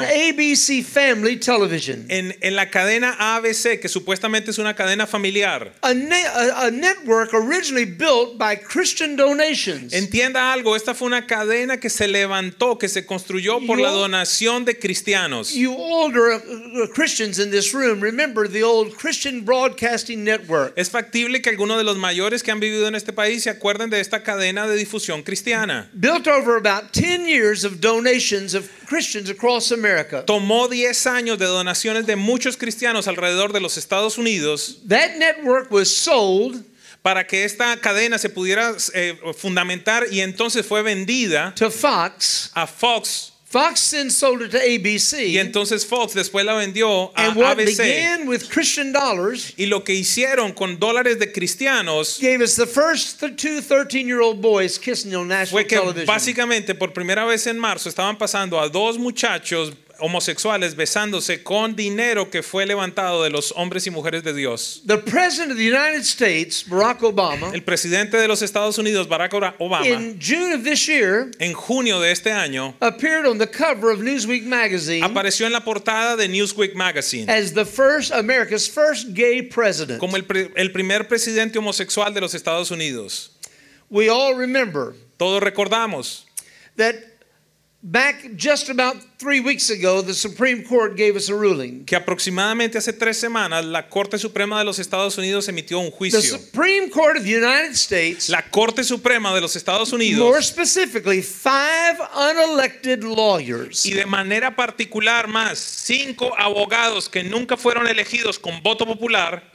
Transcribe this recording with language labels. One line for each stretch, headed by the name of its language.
English: on ABC Family Television,
Spanish: en la cadena ABC, que supuestamente es una cadena familiar,
English: a network originally built by Christian donations.
Spanish: Entienda algo, esta fue una cadena que se levantó, que se construyó por la donación de cristianos.
English: You older Christians in this room remember the old Christian Broadcasting Network.
Spanish: Es factible que alguno de los mayores que han vivido en este país se acuerden de esta cadena de difusión cristiana.
English: Built over about 10 years of donations of Christians across America.
Spanish: Tomó 10 años de donaciones de muchos cristianos alrededor de los Estados Unidos.
English: That network was sold
Spanish: para que esta cadena se pudiera fundamentar, y entonces fue vendida
English: to Fox,
Spanish: a Fox.
English: Fox then sold it to ABC.
Spanish: Y entonces Fox después la vendió a
English: and what
Spanish: ABC.
English: Began with Christian dollars,
Spanish: y lo que hicieron con dólares de cristianos,
English: gave us the first two 13-year-old boys kissing on national
Spanish: fue que
English: television.
Spanish: Básicamente por primera vez en marzo estaban pasando a dos muchachos homosexuales besándose con dinero que fue levantado de los hombres y mujeres de Dios.
English: The president of the United States, Barack Obama,
Spanish: el presidente de los Estados Unidos, Barack Obama,
English: in June of this year,
Spanish: en junio de este año,
English: appeared on the cover of Newsweek magazine,
Spanish: apareció en la portada de Newsweek magazine,
English: as the first America's first gay president,
Spanish: como el primer presidente homosexual de los Estados Unidos.
English: We all remember,
Spanish: todos recordamos,
English: that back just about 3 weeks ago, the Supreme Court gave us a ruling.
Spanish: Que aproximadamente hace tres semanas, la Corte Suprema de los Estados Unidos emitió un juicio.
English: The Supreme Court of the United States.
Spanish: La Corte Suprema de los Estados Unidos.
English: More specifically, five unelected lawyers.
Spanish: Y de manera particular más, cinco abogados que nunca fueron elegidos con voto popular.